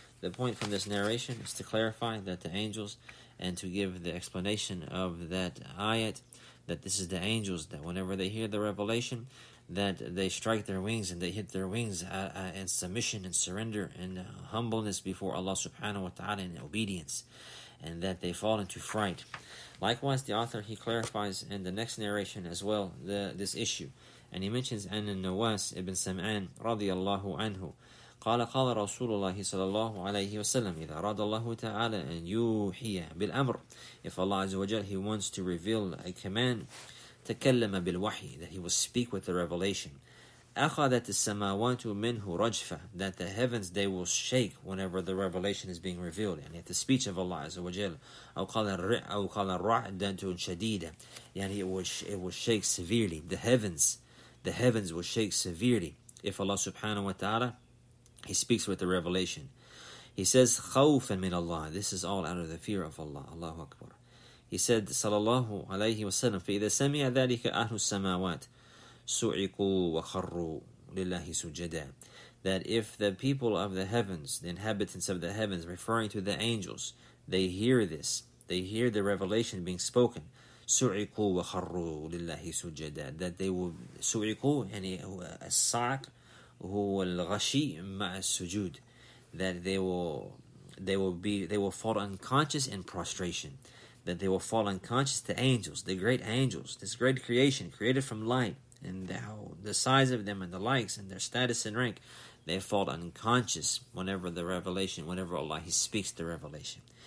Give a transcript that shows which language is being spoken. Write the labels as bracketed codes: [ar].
[en] The point from this narration is to clarify that the angels, and to give the explanation of that ayat, that this is the angels, that whenever they hear the revelation, that they strike their wings and they hit their wings in submission and surrender and humbleness before Allah subhanahu wa ta'ala in obedience, and that they fall into fright. Likewise, the author, he clarifies in the next narration as well this issue. And he mentions, [ar] أن النواس ابن سمعان رضي الله عنه قال قال رسول الله صلى الله عليه وسلم إذا أراد الله تعالى أن يوحي بالأمر. [en] If Allah عز وجل, he wants to reveal a command, [ar] تكلم بالوحي, [en] that he will speak with the revelation. [ar] أخذت السماوات منه رجفة, [en] that the heavens, they will shake whenever the revelation is being revealed, يعني at the speech of Allah عز وجل. [ar] أو قال رعدة شديدة, يعني [en] it will shake severely. The heavens will shake severely if Allah subhanahu wa ta'ala, he speaks with the revelation. He says, [ar] خَوْفًا مِنَ اللَّهِ. [en] This is all out of the fear of Allah. [ar] Allahu Akbar. [en] He said, [ar] sallallahu alayhi wa sallam, فَإِذَا سَمِعَ ذَلِكَ أَهْلُ السَّمَاوَاتِ سُعِقُوا وَخَرُّوا لِلَّهِ سُجَدًا. [en] That if the people of the heavens, the inhabitants of the heavens, referring to the angels, they hear this, they hear the revelation being spoken, [ar] سُعِقُوا وَخَرُّوا لِلَّهِ سُجَدًا. [en] That they will, سُعِقُوا, يعني a sa'q, [ar] هو الغشي مع السجود, [en] that they will fall unconscious in prostration, that they will fall unconscious to angels, the great angels, this great creation created from light, and the size of them and the likes and their status and rank, they fall unconscious whenever Allah, he speaks the revelation,